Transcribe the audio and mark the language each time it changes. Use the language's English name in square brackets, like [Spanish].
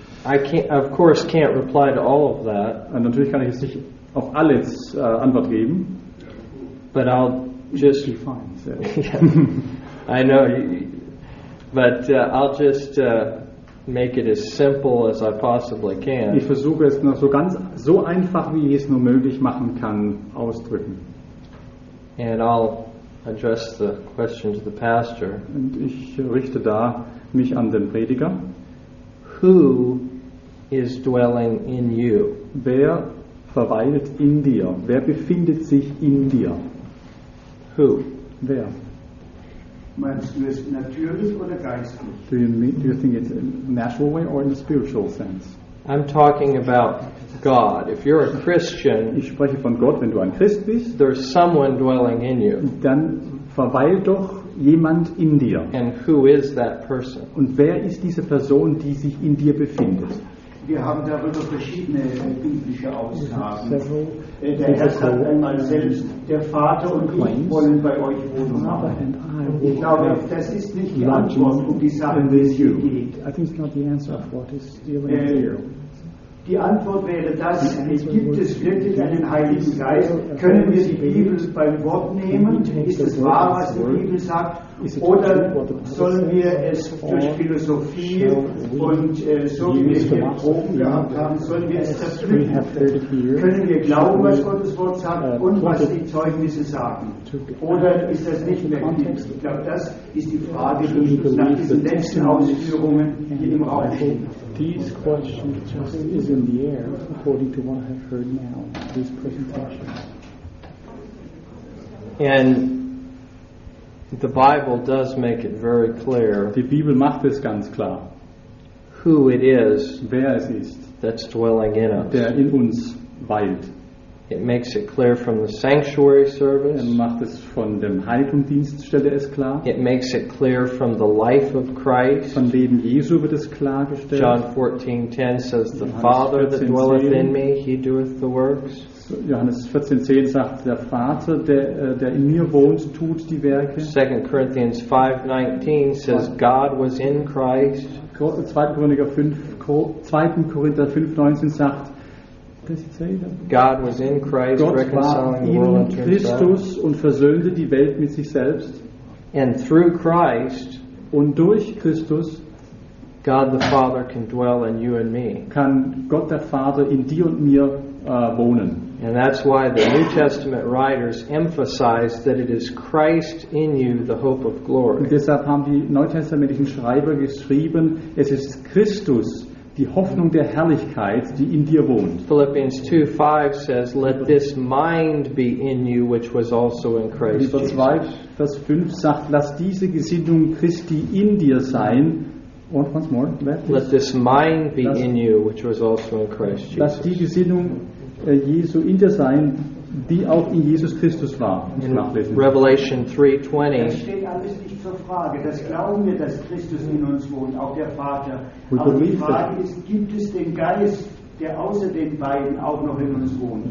[English] I can't, of course, can't reply to all of that. [German] Natürlich kann ich jetzt nicht auf alles Antwort geben. [English] But I'll just be fine. So. Yeah, I know, but I'll just make it as simple as I possibly can. [German] Ich versuche es nur so einfach wie ich es nur möglich machen kann ausdrücken. [English] And I'll address the question to the pastor. [German] Und ich richte da mich an den Prediger. [English] Who is dwelling in you. [German] Wer verweilt in dir? Wer befindet sich in dir? [English] Who? [German] Wer? Meinst du es natürlich oder geistlich? [English] Do you think it's in a natural way or in a spiritual sense? I'm talking about God. If you're a Christian, [German] ich spreche von Gott, wenn du ein Christ bist, [English] there's someone dwelling in you. [German] Dann verweilt doch jemand in dir. [English] And who is that person? [German] Und wer ist diese Person, die sich in dir befindet? Wir haben darüber verschiedene biblische Aussagen. Der Herr sagt einmal selbst, der Vater und ich wollen bei euch Wohnung haben. Ich glaube, das ist nicht die Antwort, um die Sache, wie es hier geht. [English] I think it's not the answer of what is dealing with you. [German] Die Antwort wäre das, gibt es wirklich einen Heiligen Geist? Können wir die Bibel beim Wort nehmen? Ist es wahr, was die Bibel sagt? Oder sollen wir es durch Philosophie und so wie wir hier Proben gehabt haben, sollen wir es zerpflücken? Können wir glauben, was Gottes Wort sagt und was die Zeugnisse sagen? Oder ist das nicht mehr möglich? Ich glaube, das ist die Frage, die nach diesen letzten Ausführungen hier im Raum steht. [English] These questions just is in the air, according to what I have heard now, these presentations. And the Bible does make it very clear. [German] Die Bibel macht es ganz klar. [English] Who it is. [German] Wer es ist. [English] That's dwelling in us. [German] Der in uns weilt. [English] It makes it clear from the sanctuary service. [German] Er macht es von dem Heiligendienststelle es klar. [English] It makes it clear from the life of Christ. [German] Von Leben Jesu wird es klargestellt. [English] John 14:10 says, "The Father that dwelleth in me, he doeth the works." [German] Johannes 14:10 sagt, der Vater, der in mir wohnt, tut die Werke. [English] 2 Corinthians 5:19 says, "God was in Christ." [German] 2 Korinther 5:19 sagt, [English] God was in Christ, [German] Gott [English] reconciling [German] war in [English] the world [German] Christus und versöhnte die Welt mit sich selbst. [English] And through Christ, [German] und durch Christus, [English] God the Father can dwell in you and me. [German] Kann Gott der Vater in dir und mir wohnen. [English] And that's why the New Testament writers emphasize that it is Christ in you, the hope of glory. [German] Und deshalb haben die neutestamentlichen Schreiber geschrieben, es ist Christus, die Hoffnung der Herrlichkeit, die in dir wohnt. [English] Philippians 2:5 says, "Let this mind be in you, which was also in Christ Jesus." [German] Vers 5 sagt, lass diese Gesinnung Christi in dir sein. [English] Und once more, let this mind be in you, which was also in Christ Jesus. [German] Lass die Gesinnung Jesu in dir sein, die auch in Jesus Christus war. [English] In Revelation 3:20. [German] Frage, das glauben wir, dass Christus in uns wohnt, auch der Vater. Aber die Frage ist, gibt es den Geist, der außer den beiden auch noch in uns wohnt?